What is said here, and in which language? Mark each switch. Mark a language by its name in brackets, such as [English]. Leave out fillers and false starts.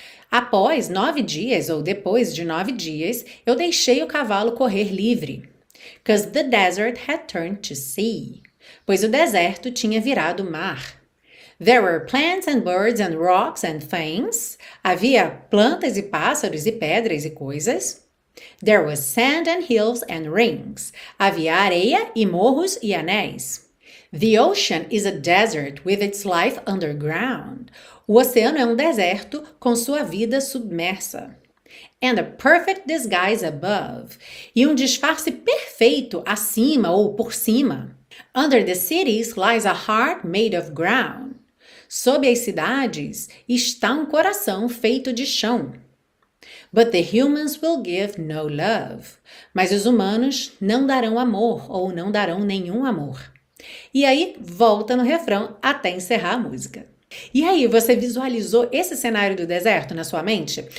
[Portuguese] Após 9 dias, ou depois de 9 dias, eu deixei o cavalo correr livre. [English] 'Cause the desert had turned to sea. [Portuguese] Pois o deserto tinha virado mar. [English] There were plants and birds and rocks and things. [Portuguese] Havia plantas e pássaros e pedras e coisas. [English] There was sand and hills and rings. [Portuguese] Havia areia e morros e anéis. [English] The ocean is a desert with its life underground. [Portuguese] O oceano é um deserto com sua vida submersa. [English] And a perfect disguise above. [Portuguese] E um disfarce perfeito acima ou por cima. [English] Under the cities lies a heart made of ground. [Portuguese] Sob as cidades está um coração feito de chão. [English] But the humans will give no love. [Portuguese] Mas os humanos não darão amor ou não darão nenhum amor. E aí volta no refrão até encerrar a música. E aí, você visualizou esse cenário do deserto na sua mente?